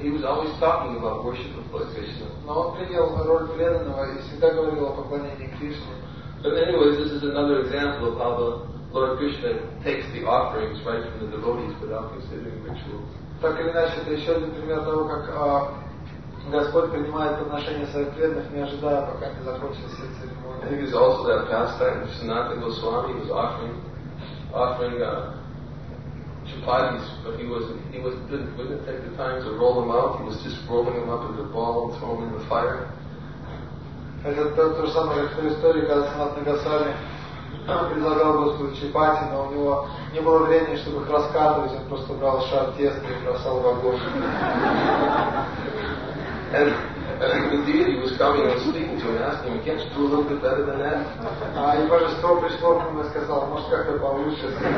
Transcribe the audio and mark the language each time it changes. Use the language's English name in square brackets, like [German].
[English] He was always talking about worship of Lord Krishna. [Russian] Но он принял роль преданного и всегда говорил о поклонении Кришне. [English] But anyways, this is another example of how the Lord Krishna takes the offerings right from the devotees without considering rituals. [Russian] Так или иначе, это еще один пример того, как Господь принимает подношения своих преданных, не ожидая, пока не закончится все церемонии. [English] I think it's also that pastime. Sanatana Goswami was offering chapatis, but he wouldn't take the time to roll them out. He was just rolling them up in the ball and throwing them in the fire. [Russian] Это то же самое, как в той истории, когда Санатана Госвами предлагал Господу чапати, но у него не было времени, чтобы их раскатывать. Он просто брал шар теста и бросал в огонь. [English] And indeed, he was coming and speaking to him, asking him, can't you do a little bit better than that? [Russian] И божество пришло к нему и сказал, может, как-то получше.